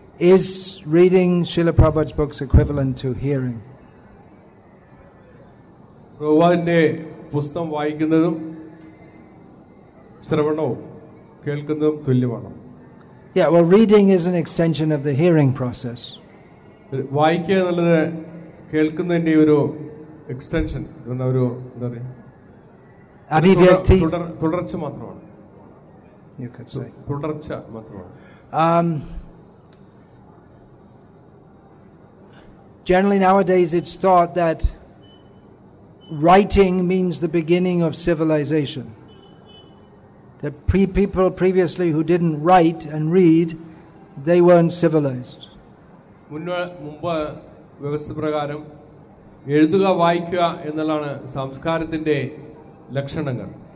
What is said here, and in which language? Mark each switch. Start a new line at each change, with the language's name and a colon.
English: is reading Srila Prabhupada's books equivalent to hearing
Malayalam: പ്രഭുവിന്റെ പുസ്തകം വായിക്കുന്നതും ശ്രവണവും കേൾക്കുന്നതും തുല്യമാണ്.
English: Yeah, well, reading is an extension of the hearing process.
Malayalam: വായിക്കുക എന്നുള്ളത് കേൾക്കുന്നതിന്റെ ഒരു എക്സ്റ്റൻഷൻ, ഒരു എന്താ പറയുക, അഭിവ്യക്തി, തുടർച്ച മാത്രമാണ്.
English: You could say.
Malayalam: തുടർച്ച മാത്രമാണ്.
English: Generally nowadays it's thought that writing means the beginning of civilization. The people previously who didn't write and read, they weren't civilized.
Malayalam: മുൻപ് വ്യവസ്ഥപ്രകാരം എഴുതുക വായിക്കുക എന്നുള്ളതാണ് സംസ്കാരത്തിന്റെ ലക്ഷണങ്ങൾ.